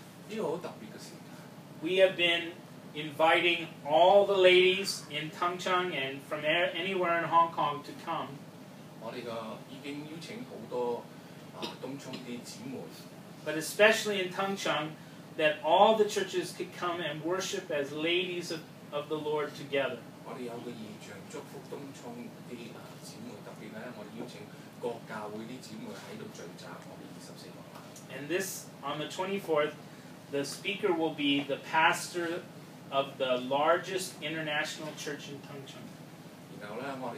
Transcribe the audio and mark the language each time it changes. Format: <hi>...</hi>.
<en>We have been inviting all the ladies in Tung Chung and from anywhere in Hong Kong to come.</en> <yue>我們已經邀請很多東沖的姊妹</yue> <en>But especially in Tung Chung, that all the churches could come and worship as ladies of the Lord together.</en> <yue>我們有個異象祝福東沖的姊妹，特別呢，我們邀請各教會的姊妹喺度聚集，我們24號。</yue> <en>And this, on the 24th, the speaker will be the pastor of the largest international church in Tung Chung.</en>